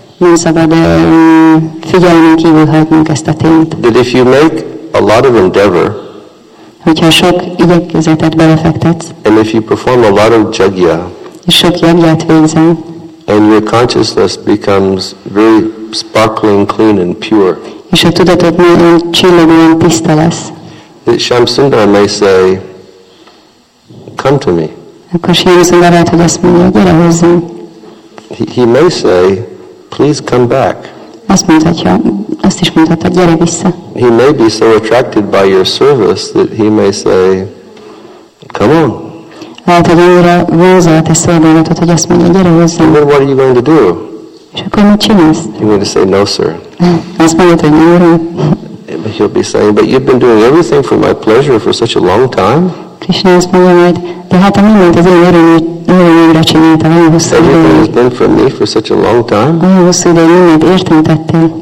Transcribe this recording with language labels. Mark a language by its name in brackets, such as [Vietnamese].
[Hungarian] Nem szabad figyelmen kívül hagynunk ezt a tényt. [English] That if you make a lot of endeavor, [Hungarian] hogyha sok igyekezetet belefektetsz, [English] and if you perform a lot of jagya, [Hungarian] és sok jagyát végzel, [English] and your consciousness becomes very sparkling, clean and pure, [Hungarian] és a tudatod nagyon csillogóan tiszta lesz, [English] that Shamsundar may say, come to me. [Hungarian] Akkor Shamsundar lehet, hogy azt mondja, gyere hozzám. [English] He may say, please come back. [Hungarian] Azt mondhatja, azt is mondhatja, gyere vissza. [English] He may be so attracted by your service that he may say, come on. [Hungarian] Lehet, hogy annyira vonzó a te szolgálatot, hogy azt mondja, gyere hozzám. [English] Then what are you going to do? [Hungarian] És akkor mit csinálsz? [English] You're going to say, no, sir. [Hungarian] Azt mondja, hogy nem, uram. [English] But he'll be saying, but you've been doing everything for my pleasure for such a long time. [Hungarian] Krishna azt mondja majd, de hát a mindent az én örömre csinálta, olyan hosszú ideig. [English] Everything has been for me for such a long time. [Hungarian] Olyan hosszú ideig mindent értem tettél.